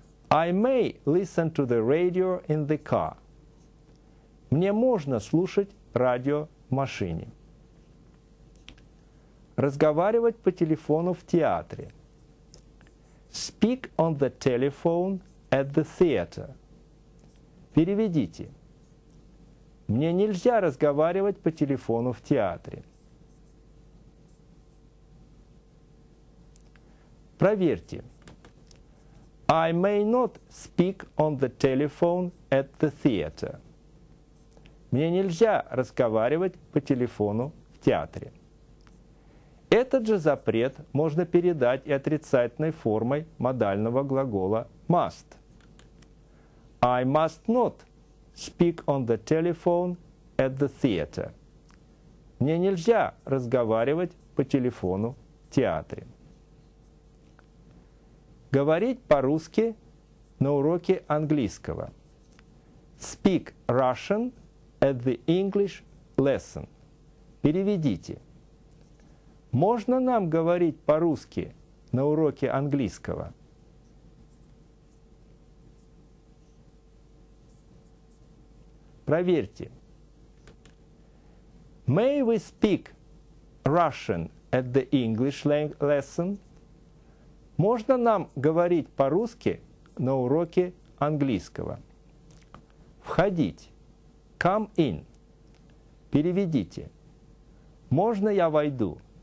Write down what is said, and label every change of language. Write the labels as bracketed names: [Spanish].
[English] I may listen to the radio in the car. [Russian] Мне можно слушать радио в машине. Разговаривать по телефону в театре. [English] Speak on the telephone at the theater. [Russian] Переведите. Мне нельзя разговаривать по телефону в театре. Проверьте. [English] I may not speak on the telephone at the theater. [Russian] Мне нельзя разговаривать по телефону в театре. Этот же запрет можно передать и отрицательной формой модального глагола must. [English] I must not speak on the telephone at the theater. [Russian] Мне нельзя разговаривать по телефону в театре. Говорить по-русски на уроке английского. [English] Speak Russian at the English lesson. [Russian] Переведите. Можно нам говорить по-русски на уроке английского? Проверьте. [English] May we speak Russian at the English lesson? [Russian] Можно нам говорить по-русски на уроке английского? Входить. [English] Come in. [Russian] Переведите. Можно я войду?